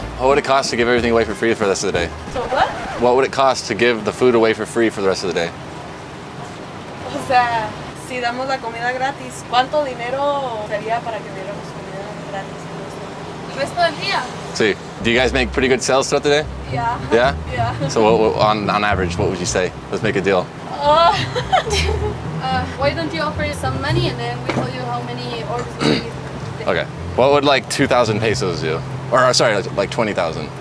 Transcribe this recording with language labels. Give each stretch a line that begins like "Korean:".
English: What would it cost to give everything away for free for the rest of the day? So what? What would it cost to give the food away for free for the rest of the day?
Spanish: O sea, si damos la comida gratis, ¿cuánto dinero sería para que diéramos comida gratis?
English: See, do you guys make pretty good sales throughout the day? Yeah. Yeah? Yeah. So on average, what would you say? Let's make a deal. why don't you offer us some money and then we tell you how many orders we need? Okay. What would like 2,000 pesos do? Or sorry, like 20,000.